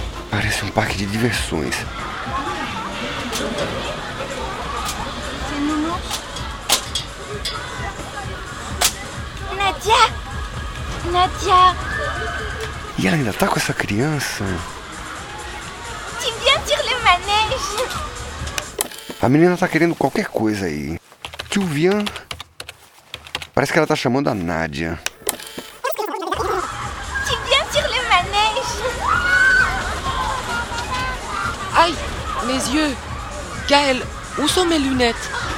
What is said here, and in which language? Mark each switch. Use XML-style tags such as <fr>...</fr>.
<pt>Parece um parque de diversões. Nadia! E ela ainda tá com essa criança?</pt> <fr>Tu viens tirer le manège!</fr> <pt>A menina tá querendo qualquer coisa aí.</pt> <fr>Tu viens?</fr> <pt>Parece que ela tá chamando a Nadia.</pt> <fr>Tu viens tirer le manège! Ai, mes yeux! Gaël, où sont mes lunettes?</fr>